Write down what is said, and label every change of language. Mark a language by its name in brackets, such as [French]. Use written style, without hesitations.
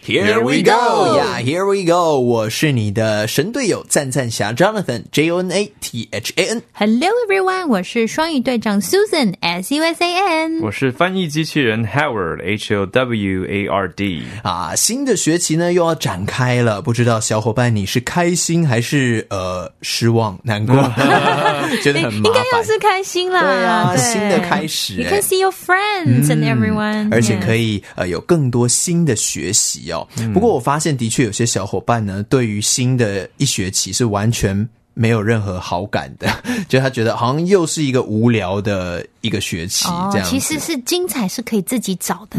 [English] Here we go Here we go [Chinese] 我是你的神队友赞赞侠 Jonathan J-O-N-A-T-H-A-N [English] Hello everyone [Chinese] 我是双语队长 Susan S-U-S-A-N 我是翻译机器人 Howard H-O-W-A-R-D 啊，新的学期呢又要展开了，不知道小伙伴你是开心还是失望难过觉得很麻烦，应该要是开心啦，对啊，对，新的开始 [English] You can see your friends and everyone [Chinese] 而且可以有更多新的学习哦。不过我发现的确有些小伙伴呢对于新的一学期是完全没有任何好感的，就他觉得好像又是一个无聊的一个学期这样子。其实是精彩是可以自己找的